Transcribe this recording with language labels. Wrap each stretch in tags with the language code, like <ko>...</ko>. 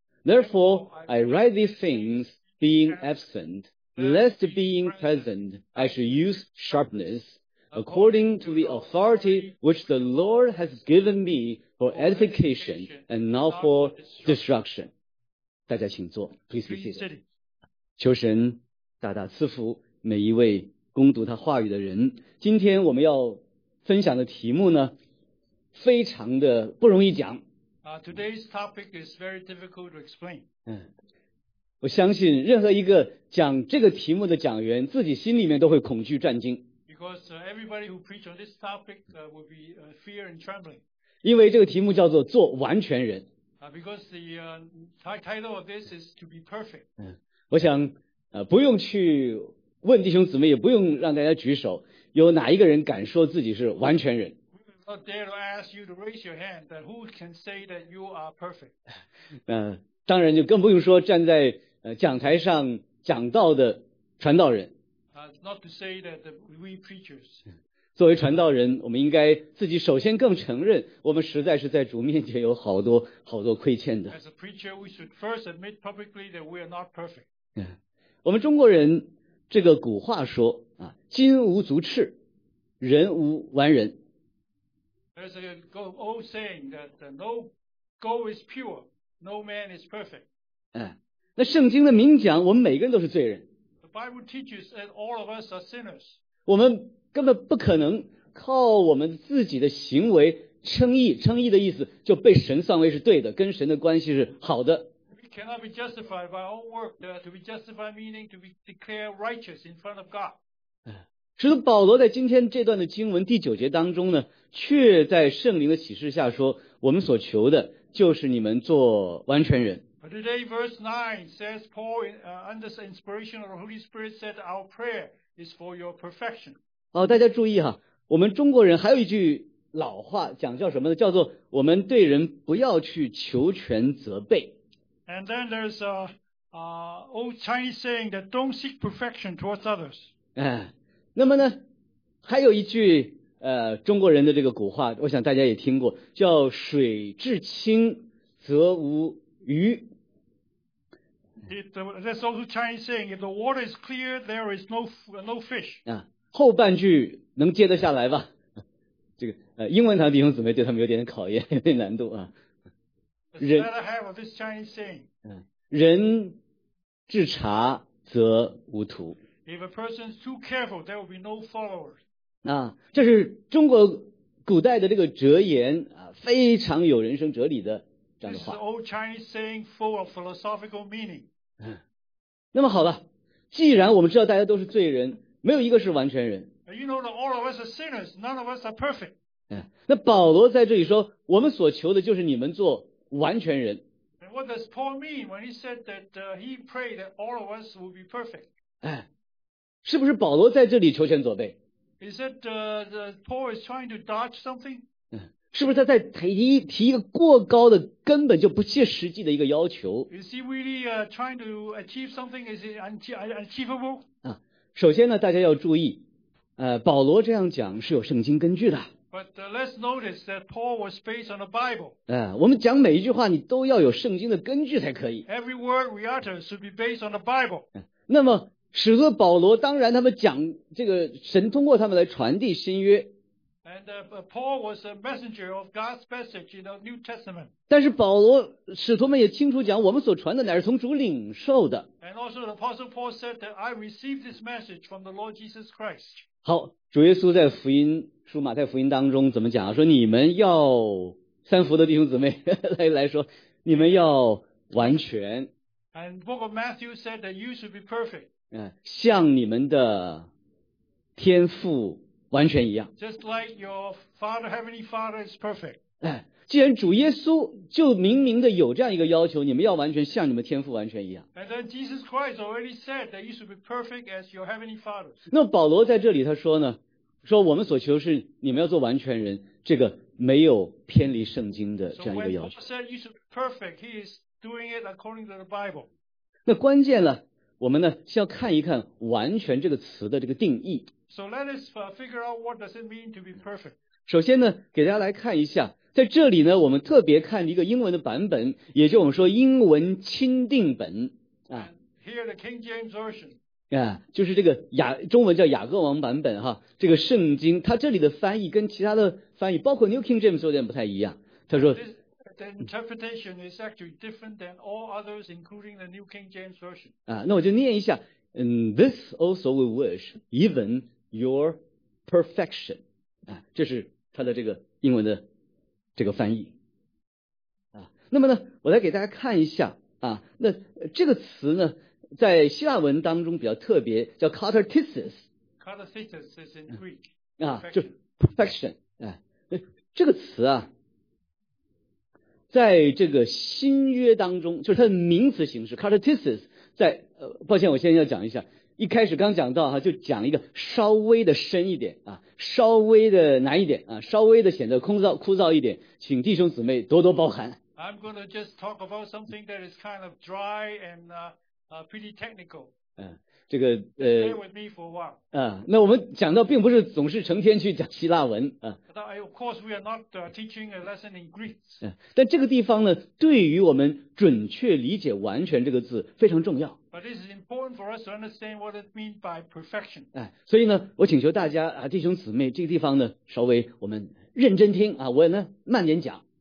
<en>Therefore, I write these things, being absent, lest being present I should use sharpness, according to the authority which the Lord has given me for edification and not for destruction.</en> <zh>大家请坐，</zh> <en>please be seated.</en> <zh>求神大大赐福每一位攻读他话语的人。今天我们要分享的题目呢，非常的不容易讲。</zh> <en>Today's topic is very difficult to explain.</en> <zh>我相信任何一个讲这个题目的讲员自己心里面都会恐惧战惊。</zh> <en>Because everybody who preach on this topic will be fear and trembling.</en> <zh>因为这个题目叫做做完全人。</zh> <en>Because the title of this is to be perfect.</en> <zh>我想不用去问弟兄姊妹，也不用让大家举手，有哪一个人敢说自己是完全人？</zh> <en>Not dare to ask you to raise your hand, but who can say that you are perfect?</en> <zh>当然就更不用说站在讲台上讲道的传道人。</zh> <en>Not to say that we preachers.</en> <zh>作为传道人，我们应该自己首先更承认，我们实在是在主面前有好多好多亏欠的。</zh> <en>As a preacher, we should first admit publicly that we are not perfect.</en> <zh>我们中国人这个古话说啊，金无足赤，人无完人。</zh> <en>There's a old saying that no gold is pure, no man is perfect.</en> <zh>那圣经的明讲，我们每个人都是罪人。</zh> <en>The Bible teaches that all of us are sinners.</en> <zh>我们根本不可能靠我们自己的行为称义，称义的意思就被神算为是对的，跟神的关系是好的。</zh> <en>We cannot be justified by our work. To be justified meaning to be declared righteous in front of God.</en> <zh>使徒保罗在今天这段的经文第九节当中呢，却在圣灵的启示下说，我们所求的就是你们做完全人。</zh> <en>But today verse 9 says Paul under the inspiration of the Holy Spirit said our prayer is for your perfection.</en> <zh>大家注意哈，我们中国人还有一句老话讲叫什么呢，叫做我们对人不要去求全责备。</zh> <en>And then there's an old Chinese saying that don't seek perfection towards others.</en> <zh>那么呢，还有一句中国人的这个古话，我想大家也听过，叫水至清则无鱼。</zh> <en>That's also Chinese saying, if the water is clear, there is no fish.</en> <zh>后半句能接得下来吧？这个英文堂弟兄姊妹对他们有点考验，有点难度啊。</zh> <en>The latter half of this Chinese saying.</en> <zh>人至察则无徒。</zh> <en>If a person is too careful, there will be no followers.</en> <zh>这是中国古代的这个哲言啊，非常有人生哲理的这样的话。</zh> <en>This is old Chinese saying full of philosophical meaning.</en> <zh>那么好了，既然我们知道大家都是罪人，没有一个是完全人。</zh> <en>You know that all of us are sinners, none of us are perfect.</en> <zh>那保罗在这里说，我们所求的就是你们做完全人。</zh> <en>And what does Paul mean when he said that he prayed that all of us will be perfect?</en> <zh>是不是保罗在这里求全责备？</zh> <en>Is it Paul is trying to dodge something?</en> <zh>是不是他在提一个过高的根本就不切实际的一个要求？</zh> <en>You see, really, trying to achieve something is unachievable.</en> <zh>啊，首先呢，大家要注意，保罗这样讲是有圣经根据的。</zh> <en>But let's notice that Paul was based on the Bible.</en> <zh>我们讲每一句话，你都要有圣经的根据才可以。</zh> <en>Every word we utter should be based on the Bible.</en> <zh>那么，使徒保罗当然他们讲这个神通过他们来传递新约。</zh> <en>And Paul was a messenger of God's message in the New Testament.</en> <zh>但是保罗使徒们也清楚讲，我们所传的乃是从主领受的。</zh> <en>And also the Apostle Paul said that I received this message from the Lord Jesus Christ.</en> <zh>好，主耶稣在福音书马太福音当中怎么讲？说你们要三福的弟兄姊妹来说，你们要完全。</zh> <en>And Book of Matthew said that you should be perfect.</en> <zh>像你们的天父。完全一样。</zh> <en>Just like your Father, Heavenly Father is perfect.</en> <zh>既然主耶稣就明明的有这样一个要求，你们要完全像你们天父完全一样。</zh> <en>And then Jesus Christ already said that you should be perfect as your Heavenly Father.</en> <zh>那保罗在这里他说呢，说我们所求是你们要做完全人，这个没有偏离圣经的这样一个要求。</zh> <en>So when Paul said you should be perfect, he is doing it according to the Bible.</en> <zh>那关键呢，我们呢是要看一看完全这个词的这个定义。</zh> <en>So let us figure out what does it mean to be perfect.</en> <zh>首先呢，给大家来看一下，在这里呢，我们特别看一个英文的版本，也就我们说英文钦定本啊。</zh> <en>Here the King James Version.</en> <zh>啊，就是这个中文叫雅各王版本哈，这个圣经它这里的翻译跟其他的翻译，包括 New King James 有点不太一样。他说</zh> <en>The interpretation is actually different than all others, including the New King James Version.</en> <zh>啊，那我就念一下。</zh> <en>And this also we wish, even your perfection.</en> <zh>这是他的这个英文的这个翻译。那么呢，我来给大家看一下啊，那这个词呢，在希腊文当中比较特别，叫 katartesis。</zh> <en>katartesis is in Greek.</en> <zh>就 perfection. 这个词啊，在这个新约当中，就是它的名词形式 katartesis。在抱歉，我现在要讲一下，一开始刚讲到哈，就讲一个稍微的深一点啊，稍微的难一点啊，稍微的显得枯燥一点，请弟兄姊妹多多包涵。</zh> <en>I'm going to just talk about something that is kind of dry and pretty technical.</en> <zh>这个</zh> <en>Stay with me for a while.</en> <zh>那我们讲到并不是总是成天去讲希腊文啊。</zh> <en>Of course, we are not teaching a lesson in Greek.</en> <zh>但这个地方呢，对于我们准确理解“完全”这个字非常重要。</zh> <en>But this is important for us to understand what it means by perfection.</en> <zh>所以呢，我请求大家啊，弟兄姊妹，这个地方呢，稍微我们认真听啊，我呢慢点讲。</zh>